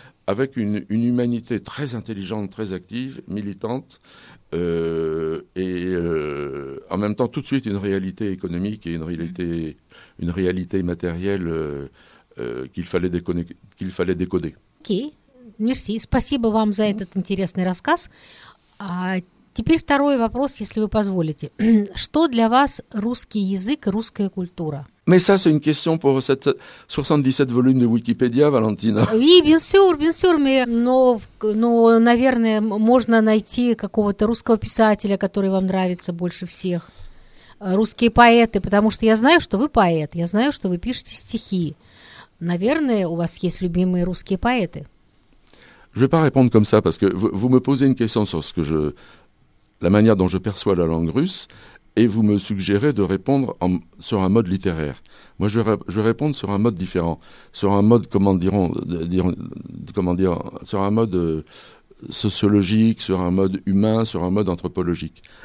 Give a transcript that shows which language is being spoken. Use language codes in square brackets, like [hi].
[fr] Avec une humanité très intelligente, très active, militante, en même temps, tout de suite, une réalité économique et une réalité matérielle qu'il fallait décoder. Ok, merci. [ru] Спасибо вам за этот интересный рассказ. Теперь второй вопрос, если вы позволите. Что для вас русский язык и русская культура? [fr] Mais ça, c'est une question pour cette 77 volumes de Wikipédia, Valentina. Oui, bien sûr, mais [ru] наверное, можно найти какого-то русского писателя, который вам нравится больше всех. Русские поэты, потому что я знаю, что вы поэт, я знаю, что вы пишете стихи. Наверное, у вас есть любимые русские поэты. [fr] Je vais pas répondre comme ça, parce que vous me posez une question sur la manière dont je perçois la langue russe, et vous me suggérez de répondre sur un mode littéraire. Moi, je vais répondre sur un mode différent, sur un mode, sur un mode sociologique, sur un mode humain, sur un mode anthropologique.